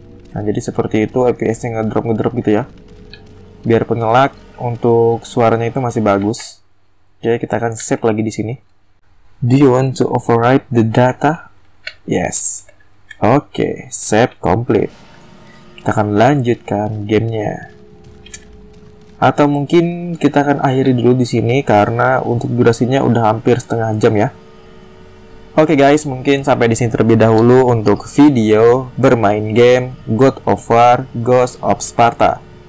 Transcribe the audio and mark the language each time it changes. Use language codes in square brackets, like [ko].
[id] Nah, jadi seperti itu FPS-nya ngedrop-ngedrop gitu ya. Biar pengelak untuk suaranya itu masih bagus. Jadi kita akan save lagi di sini. [en] Do you want to override the data? Yes. Oke, save complete. [id] Kita akan lanjutkan gamenya. Atau mungkin kita akan akhiri dulu di sini karena untuk durasinya udah hampir setengah jam ya. Oke guys, mungkin sampai di sini terlebih dahulu untuk video bermain game God of War: Ghost of Sparta.